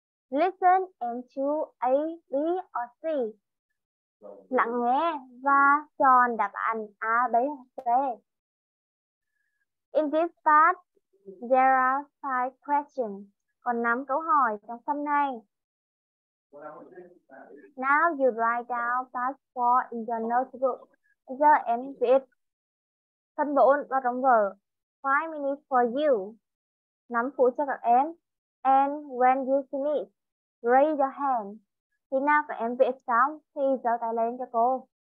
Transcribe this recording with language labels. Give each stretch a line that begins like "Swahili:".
English: Listen and choose A, B or C.
Vietnamese: Lắng nghe và chọn đáp án A, B hoặc C.
English: In this part, there are 5 questions.
Vietnamese: Còn 5 câu hỏi trong phần này.
English: Now you write down part 4 in your notebook.
Vietnamese: Giờ em viết phần 4 vào trong vở.
English: 5 minutes for you.
Vietnamese: 5 phút cho các em.
English: And when you finish, raise your hand.
Vietnamese: Khi nào các em viết xong thì giơ tay lên cho cô.